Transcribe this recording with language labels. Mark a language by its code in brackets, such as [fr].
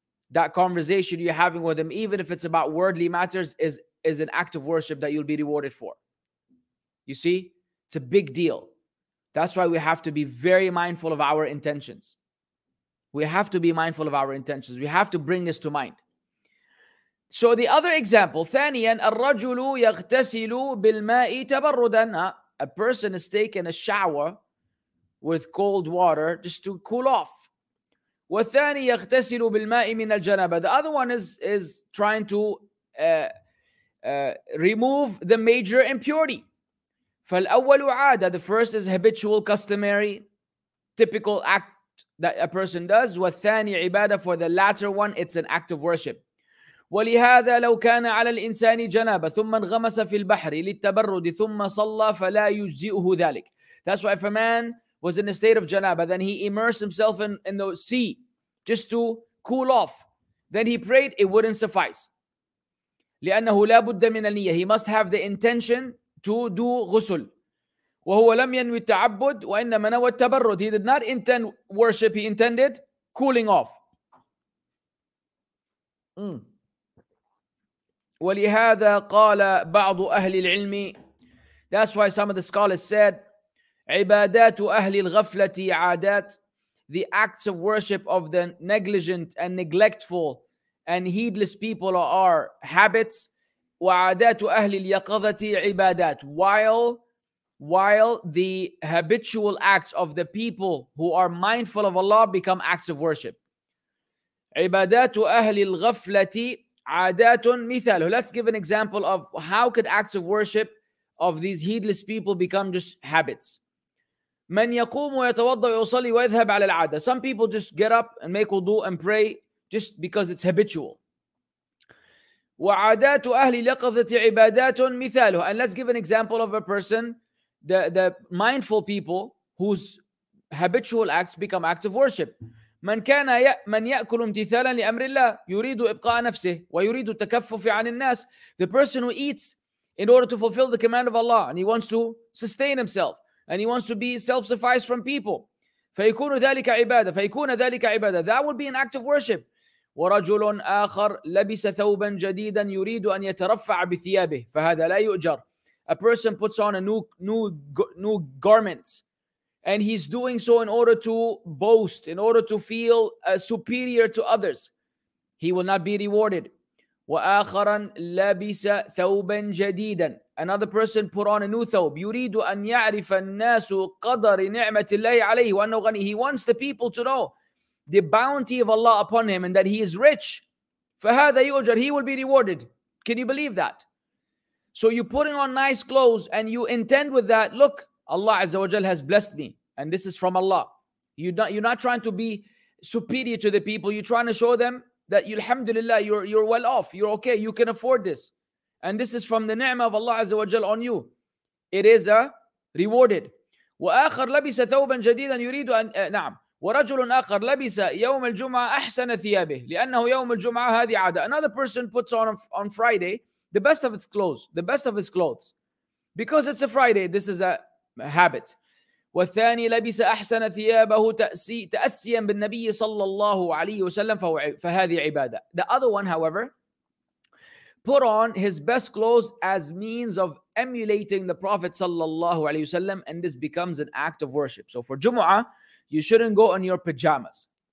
[en] That conversation you're having with him, even if it's about worldly matters, is an act of worship that you'll be rewarded for. You see, it's a big deal. That's why we have to be very mindful of our intentions. We have to be mindful of our intentions. We have to bring this to mind. So the other example, [ar] ثانياً الرجل يغتسل بالماء تبرداً. [en] A person is taking a shower with cold water just to cool off. [ar] وثاني يغتسل بالماء من الجنابة. [en] The other one is trying to remove the major impurity. [ar] فالأول عادة. [en] The first is habitual, customary, typical act that a person does. [ar] والثاني عبادة. [en] For the latter one, it's an act of worship. [ar] ولهذا لو كان على الإنسان جنابة ثم انغمس في البحر للتبرد ثم صلى فلا يجزئه ذلك. [en] That's why if a man was in a state of جنابة, then he immersed himself in the sea just to cool off, then he prayed, it wouldn't suffice. [ar] لأنه لا بد من النية. [en] He must have the intention to do غسل. [ar] وهو لم ينوي التعبد وإنما نوى التبرد. [en] He did not intend worship, he intended cooling off. [ar] ولهذا قال بعض أهل العلم. [en] That's why some of the scholars said, [ar] عبادات أهل الغفلة عادات. [en] The acts of worship of the negligent and neglectful and heedless people are habits. [ar] وعادات أهل اليقظة عبادات. [en] While the habitual acts of the people who are mindful of Allah become acts of worship. [ar] عبادات أهل الغفلة عادات مثال. [en] Let's give an example of how could acts of worship of these heedless people become just habits. [ar] من يقوم ويتوضأ ويصلي ويذهب على العادة. [en] Some people just get up and make wudu and pray just because it's habitual. [ar] وعادات أهل اليقظة عبادات مثاله. [en] And let's give an example of a person, the mindful people whose habitual acts become acts of worship. [ar] من يأكل امتثالا لأمر الله يريد إبقاء نفسه ويريد التكفف عن الناس. [en] The person who eats in order to fulfill the command of Allah and he wants to sustain himself and he wants to be self-sufficed from people. [ar] فيكون ذلك عبادة. فيكون ذلك عبادة. [en] That would be an act of worship. [ar] ورجل آخر لبس ثوبا جديدا يريد أن يترفع بثيابه فهذا لا يؤجر. [en] A person puts on a new garment and he's doing so in order to boast, in order to feel superior to others. He will not be rewarded. [ar] وآخرا لبس ثوبا جديدا. [en] Another person put on a new thawb. [ar] يريد أن يعرف الناس قدر نعمة الله عليه وأنه غني. [en] He wants the people to know the bounty of Allah upon him and that he is rich. [ar] فهذا يؤجر. [en] He will be rewarded. Can you believe that? So you're putting on nice clothes and you intend with that, look, Allah Azza wa Jal has blessed me and this is from Allah. You're not trying to be superior to the people. You're trying to show them that you, alhamdulillah, you're well off. You're okay. You can afford this. And this is from the ni'mah of Allah Azza wa Jal on you. It is a rewarded. [ar] وآخر لبس ثوبا جديدا يريد أن نعم. ورجل آخر لبس يوم الجمعة أحسن ثيابه لأنه يوم الجمعة هذه عادة. [en] Another person puts on Friday the best of its clothes, the best of his clothes, because it's a Friday. This is a habit. [ar] والثاني لبس أحسن ثيابه تأسيا بالنبي صلى الله عليه وسلم فهذه عبادة. [en] The other one, however, put on his best clothes as means of emulating the Prophet صلى الله عليه وسلم, and this becomes an act of worship. So for Jumu'ah, you shouldn't go in your pajamas.